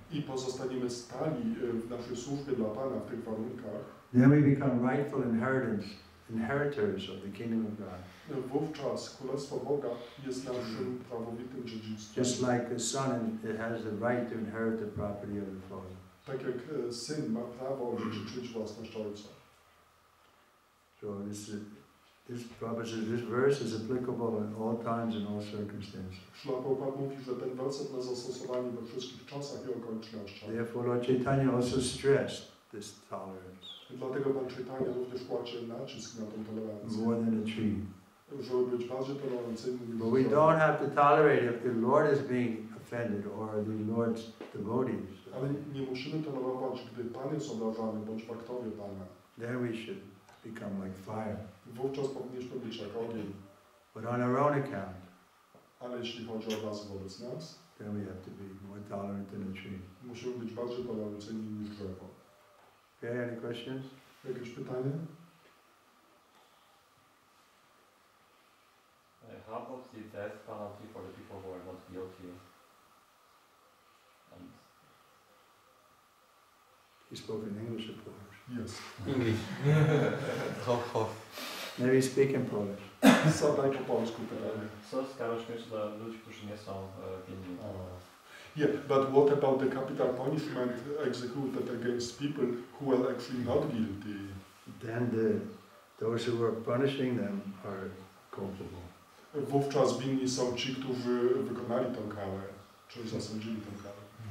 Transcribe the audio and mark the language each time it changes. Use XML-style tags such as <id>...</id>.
<pl>I pozostaniemy stali w naszej służbie dla Pana w tych warunkach.</pl> <en>Then we become rightful inheritors of the kingdom of God.</en> <pl>Wówczas Królestwo Boga jest naszym prawowitym dziedzictwem.</pl> <en>Just like the son it has the right to inherit the property of the father.</en> <pl>Tak jak syn ma prawo dziedziczyć własność ojca.</pl> <en>So this is, this Prabhupada says this verse is applicable in all times and all circumstances.</en> <pl>Śrīla Prabhupāda mówi, że ten werset ma zastosowanie we wszystkich czasach i okolicznościach.</pl> <en>Therefore Lord Chaitanya also stressed this tolerance.</en> <pl>I dlatego Pan Chaitanya również kładzie nacisk na tą tolerancję.</pl> <en>More than a tree.</en> <pl>Żeby być bardziej tolerancyjnym.</pl> <en>But we don't have to tolerate if the Lord is being offended or the Lord's devotees.</en> <pl>Ale nie musimy tolerować, gdy Pan jest obrażany bądź faktowie Pana.</pl> <en>Then we should become like fire.</en> <pl>Wówczas powinniśmy być jak ogień.</pl> <en>But on our own account.</en> <pl>Ale jeśli chodzi o nas wobec nas.</pl> <en>Then we have to be more tolerant than a tree.</en> <pl>Musimy być bardziej tolerancyjni niż drzewo.</pl> <en>Okay, any questions?</en> <pl>Jakieś pytania?</pl> <en>How about the death penalty for the people who are not guilty? And he spoke in English, of course. Yes. English. Maybe speak in Polish. So, like</en> <pl>po polsku pytanie. Co z karą śmierci dla ludzi, którzy nie są winni?</pl> <en>Yeah, but what about the capital punishment executed against people who are actually not guilty? Then those who are punishing them are culpable.</en> <pl>Wówczas winni są ci, którzy wykonali tę karę, czy zasądzili tę karę.</pl>